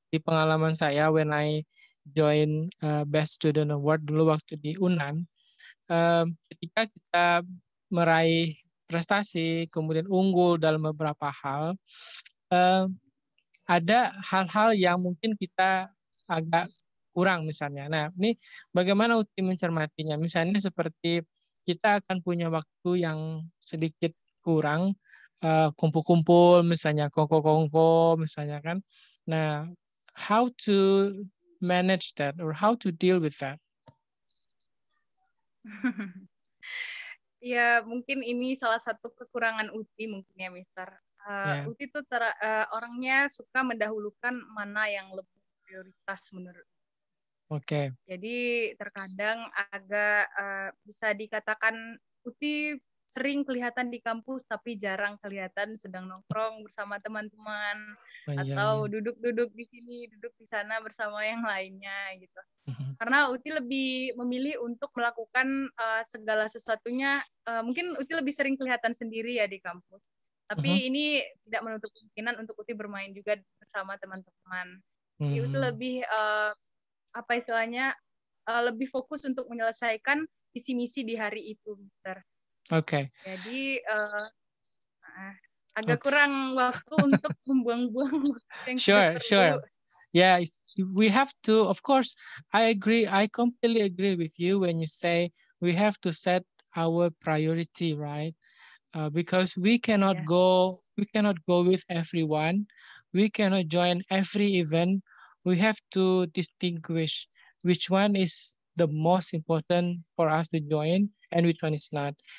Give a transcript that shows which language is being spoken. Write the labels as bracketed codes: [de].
[id] di pengalaman saya [en] when I join [id] Best Student Award dulu waktu di UNAN, ketika kita meraih prestasi kemudian unggul dalam beberapa hal, ada hal-hal yang mungkin kita agak kurang misalnya. Nah, ini bagaimana Uti mencermatinya? Misalnya seperti kita akan punya waktu yang sedikit kurang, kumpul-kumpul, misalnya kongko-kongko, misalnya kan. [en] Nah, how to manage that or how to deal with that? [id] Ya, mungkin ini salah satu kekurangan Uti mungkin ya, Mister. Uti tuh orangnya suka mendahulukan mana yang lebih prioritas menurut. Okay. Jadi terkadang agak bisa dikatakan Uti sering kelihatan di kampus tapi jarang kelihatan sedang nongkrong bersama teman-teman atau duduk-duduk di sini, duduk di sana bersama yang lainnya gitu. Karena Uti lebih memilih untuk melakukan segala sesuatunya, mungkin Uti lebih sering kelihatan sendiri ya di kampus. Tapi ini tidak menutup kemungkinan untuk Uti bermain juga bersama teman-teman. Jadi Uti lebih apa istilahnya lebih fokus untuk menyelesaikan misi-misi di hari itu, Mister. Oke. Okay. Jadi agak okay. Kurang waktu untuk membuang-buang. [en] Sure. Yeah, we have to. Of course, I agree. I completely agree with you when you say we have to set our priority, right? Because we cannot go. We cannot go with everyone. We cannot join every event. We have to distinguish which one is the most important for us to join and which one is not.